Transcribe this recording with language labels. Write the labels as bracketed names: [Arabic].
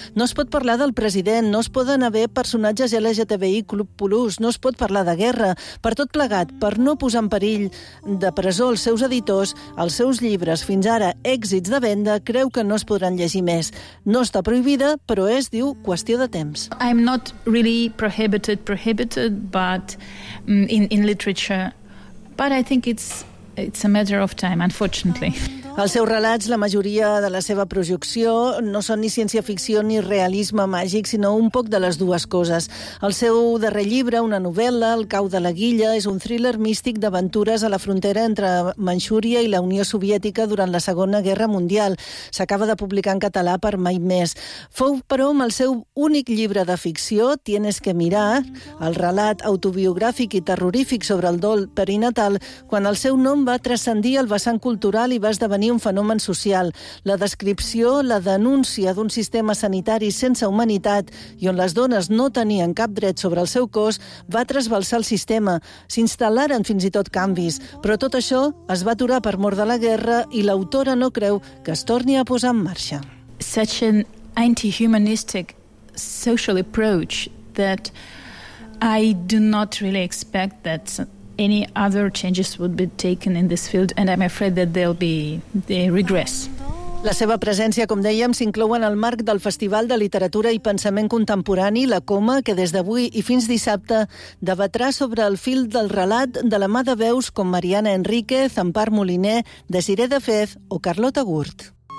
[Catalan] No es pot parlar del president, no es poden haver personatges LGTBI Club Plus, no es pot parlar de guerra. Per tot plegat, per no posar en perill de presó els seus editors, els seus llibres, fins ara èxits de venda, creu que no es podran llegir més. No està prohibida, però és, diu, qüestió de temps. [English] I'm not really prohibited, but in literature, but I think it's a matter of time, unfortunately. [Catalan] Els seus relats, la majoria de la seva projecció, no són ni ciència-ficció ni realisme màgic, sinó un poc de les dues coses. El seu darrer llibre, una novel·la, El cau de la guilla, és un thriller místic d'aventures a la frontera entre Manxúria i la Unió Soviètica durant la Segona Guerra Mundial. S'acaba de publicar en català per Mai Més. Fou, però, amb el seu únic llibre de ficció, Tienes que mirar, el relat autobiògràfic i terrorífic sobre el dol perinatal, quan el seu nom va transcendir el vessant cultural i va esdevenir un fenomen social. La descripció, la denúncia d'un sistema sanitari sense humanitat i on les dones no tenien cap dret sobre el seu cos, va trasbalsar el sistema. S'instal·laren fins i tot canvis. Però tot això es va aturar per mort de la guerra i l'autora no creu que es torni a posar en marxa. [English] Such an anti-humanistic social approach that I do not really expect that any other changes would be taken in this field, and I'm afraid that there'll be the regress. [Catalan] La seva presència, com dèiem, s'inclou en el marc del Festival de Literatura i Pensament Contemporani, la Coma, que des d'avui i fins dissabte debatrà sobre el fil del relat de la mà de veus com Mariana Enríquez, Ampar Moliner, Desiré de Fez o Carlota Gurt.